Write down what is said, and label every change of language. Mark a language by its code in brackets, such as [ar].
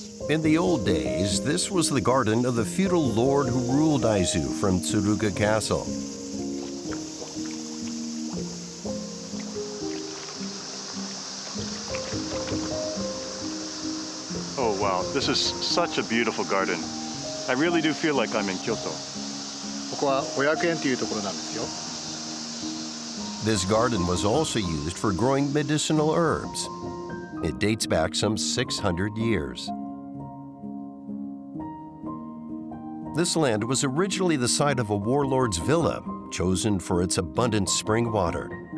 [en] In the old days, this was the garden of the feudal lord who ruled Aizu from Tsuruga Castle. Oh, wow. This is such a beautiful garden. I really do feel like I'm in Kyoto. [ja] ここは500円というところなんですよ。 [en] This garden was also used for growing medicinal herbs. It dates back some 600 years. This land was originally the site of a warlord's villa, chosen for its abundant spring water.